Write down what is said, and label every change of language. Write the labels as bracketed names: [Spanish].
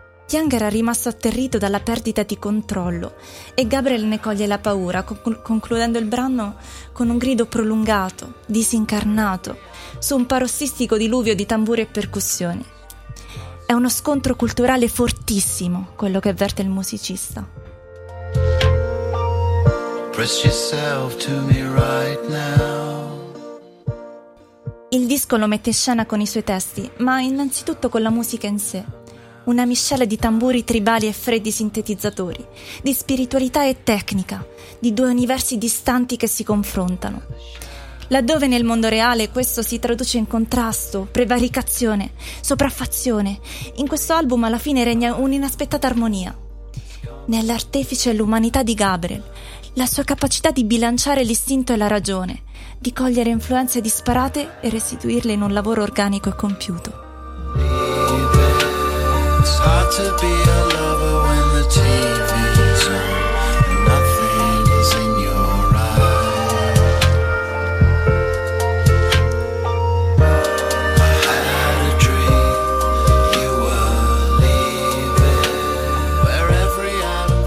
[Italian] Yang era rimasto atterrito dalla perdita di controllo e Gabriel ne coglie la paura, concludendo il brano con un grido prolungato, disincarnato, su un parossistico diluvio di tamburi e percussioni. È uno scontro culturale fortissimo quello che avverte il musicista. [English] Press yourself to me right now. [Italian] Il disco lo mette in scena con i suoi testi, ma innanzitutto con la musica in sé. Una miscela di tamburi tribali e freddi sintetizzatori, di spiritualità e tecnica, di due universi distanti che si confrontano. Laddove nel mondo reale questo si traduce in contrasto, prevaricazione, sopraffazione, in questo album alla fine regna un'inaspettata armonia. Nell'artefice è l'umanità di Gabriel, la sua capacità di bilanciare l'istinto e la ragione, di cogliere influenze disparate e restituirle in un lavoro organico e compiuto. [English] It's hard to be a lover when the TV's on and nothing is in your eyes. I had a dream you were leaving, where every eye.